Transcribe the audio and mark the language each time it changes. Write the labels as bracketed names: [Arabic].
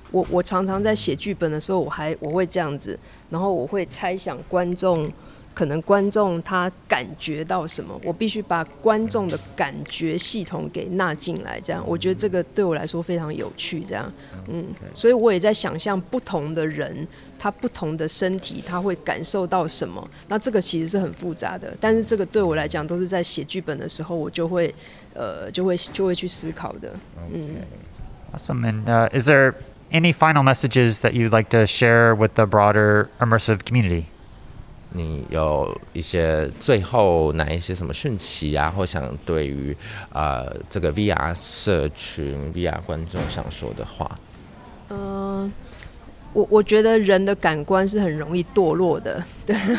[Chinese] 我常常在写剧本的时候，我会这样子，然后我会猜想观众，可能观众他感觉到什么，我必须把观众的感觉系统给纳进来，这样。我觉得这个对我来说非常有趣，这样。所以我也在想象不同的人，他不同的身体他会感受到什么，那这个其实是很复杂的，但是这个对我来讲都是在写剧本的时候我就会去思考的。 [English] Awesome. And is there any final messages that you'd like to share with the broader immersive community? [Chinese] 你有一些最后哪一些什么讯息啊，或想对于这个 VR 社群 VR 观众想说的话？我觉得人的感官是很容易堕落的，对。